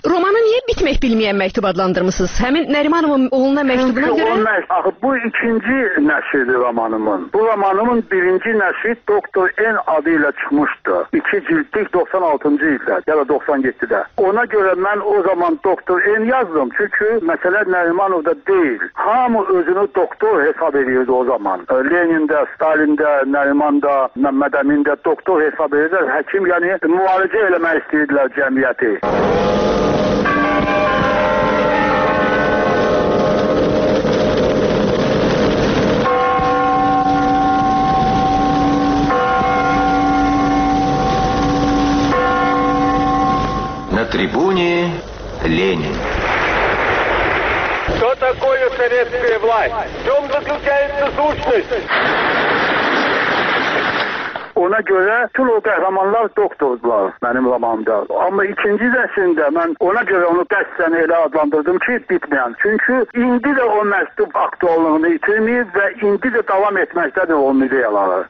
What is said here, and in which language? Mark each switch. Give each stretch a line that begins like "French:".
Azerbaijani: Romanı niyə bitmək bilməyən məktub adlandırmısınız? Həmin Nərimanovun oğluna məktubuna görə... Axı, bu ikinci nəşridir romanımın. Bu romanımın birinci nəşri Doktor N adı ilə çıxmışdı. İki ciltlik 96-cı ildə, ya da 97-də. Ona görə mən o zaman Doktor N yazdım, çünki məsələ Nərimanovda deyil. Hamı özünü doktor hesab edirdi o zaman. Lenində, Stalində, Nərimanda, Məmməd Əmində doktor hesab edirdi. Həkim, yəni, müalicə eləmək istəyirdilər cəmi.
Russian: На трибуне Ленин. Что такое советская власть? В чем заключается сущность?
Azerbaijani: Ona görə tüm o qəhrəmanlar doktordular mənim zamanımda. Amma ikinci dəsində mən ona görə onu dəstən elə adlandırdım ki, bitməyən. Çünki indi də o məktub aktuallığını itirməyib və indi də davam etməkdədir o medialları.